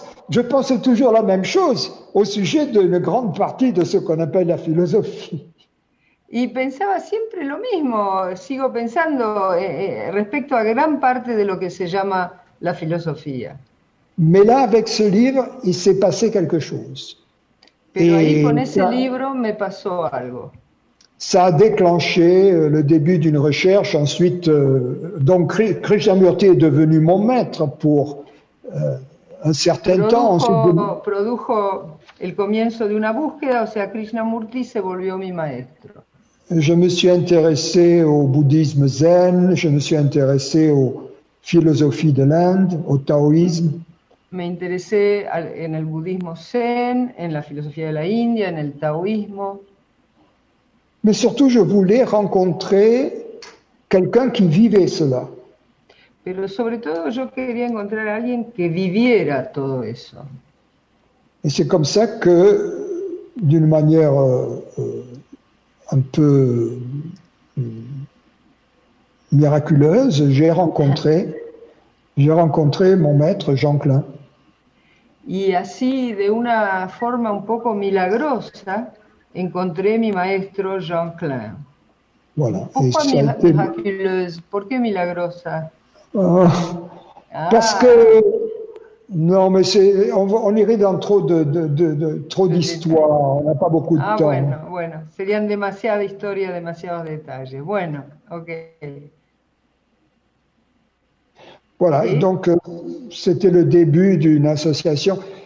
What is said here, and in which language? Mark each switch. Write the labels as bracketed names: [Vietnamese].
[French] Je pense toujours la même chose au sujet d'une grande partie de ce qu'on appelle la philosophie. [Spanish] Y pensaba siempre lo mismo, sigo pensando respecto a gran parte de lo que se llama la filosofía. [French] Mais là, avec ce livre, il s'est passé quelque chose. [Spanish] Pero ahí con ese libro me pasó algo. [French] Ça a déclenché le début d'une recherche, ensuite, donc Krishnamurti est devenu mon maître pour un certain [Spanish] produjo el comienzo de una búsqueda, o sea, Krishnamurti se volvió mi maestro. [French] Je me suis intéressé au bouddhisme zen, je me suis intéressé aux philosophies de l'Inde, au taoïsme. [Spanish] Me intéressé en el budismo zen, en la filosofía de la India, en el taoísmo. [French] Mais surtout, je voulais rencontrer quelqu'un qui vivait cela. [Spanish] Pero sobre todo yo quería encontrar a alguien que viviera todo eso. [French] Et c'est comme ça que, d'une manière un peu miraculeuse, j'ai rencontré mon maître Jean Klein. [Spanish] Y así, de una forma un poco milagrosa, encontré mi maestro Jean Klein. [French] Voilà. Pourquoi miraculeuse? Pourquoi milagrosa? Parce que... Non, mais c'est... on irait dans trop d'histoires. On n'a pas beaucoup de temps. [Spanish] Ah, bueno. Serían demasiadas historias, demasiados detalles. Bueno, ok. [French] Voilà, et donc c'était le début d'une association.